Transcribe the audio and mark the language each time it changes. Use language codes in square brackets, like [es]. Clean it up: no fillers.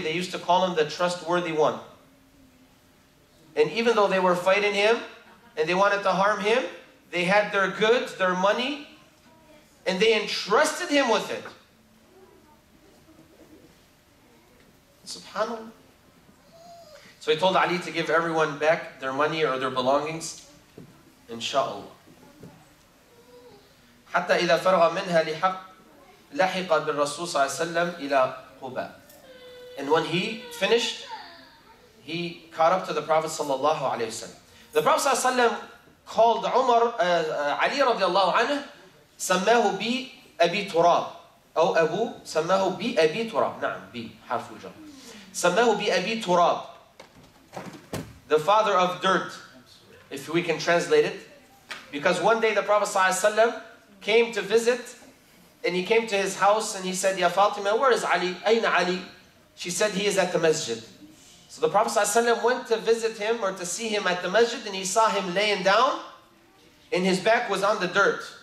[en] They used to call him the trustworthy one. And even though they were fighting him and they wanted to harm him, they had their goods, their money, and they entrusted him with it. Subhanallah. So he told Ali to give everyone back their money or their belongings. Inshallah. [ar] حتى إذا فرغ منها لحق لحق بالرسول صلى الله عليه وسلم إلى قباء. [en] And when he finished, he caught up to the Prophet صلى الله عليه وسلم. The Prophet صلى الله عليه وسلم called Ali رضي الله عنه [ar] سماه بي أبي تراب أو أبو سماه بي أبي تراب نعم بي حرف جر سماه بي أبي تراب [en] the father of dirt if we can translate it. Because one day the Prophet Sallallahu Alaihi Wasallam came to visit, and he came to his house and he said, Ya Fatima, where is Ali? [ar] Ayna Ali? [en] She said, he is at the masjid. So the Prophet Sallallahu Alaihi Wasallam went to visit him or to see him at the masjid, and he saw him laying down, and his back was on the dirt.